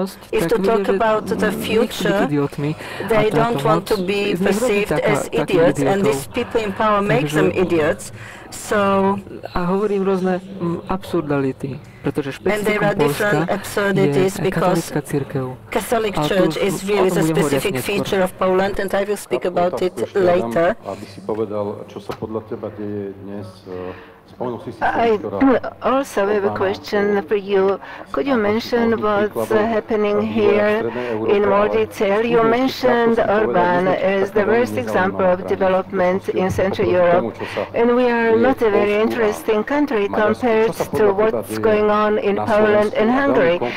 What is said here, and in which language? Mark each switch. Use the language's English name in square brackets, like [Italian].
[English] if to talk about the future, they don't want to be perceived as idiots, and these people in power make them idiots. So, [Slovak] a hovorím rôzne absurdality, pretože špecifikum Polska je katolická cirkev. [English] Catholic Church is really the specific feature of Poland, and I will speak about it later. [Slovak] Aby si povedal, čo sa podľa teba deje dnes [English] I also have a question for you. Could you mention what's happening here in more detail? You mentioned Orbán as the worst example of development in Central Europe, and we are not a very interesting country compared to what's going on in Poland and Hungary.